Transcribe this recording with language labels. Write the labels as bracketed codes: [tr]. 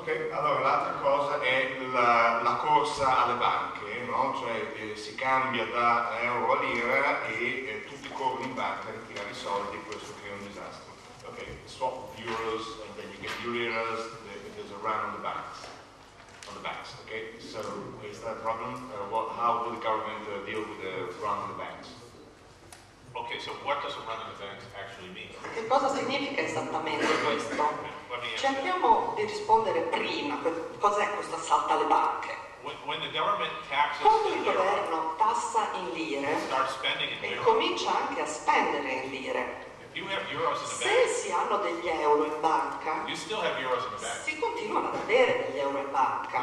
[it] Allora, l'altra cosa è la corsa alle banche, no? Cioè si cambia da euro a lira e tutti corrono in banca a ritirare i soldi e questo crea un disastro. [en] Ok, swap euros and then you get euros, there's a run on the banks. On the banks, okay? So is that a problem? How will the government deal with the run on the banks? Ok, so what does a run on the banks actually mean? [it] Che cosa significa esattamente questo? Cerchiamo di rispondere prima, cos'è questo assalto alle banche? Quando il governo tassa in lire e comincia anche a spendere in lire, se si hanno degli euro in banca, si continuano ad avere degli euro in banca.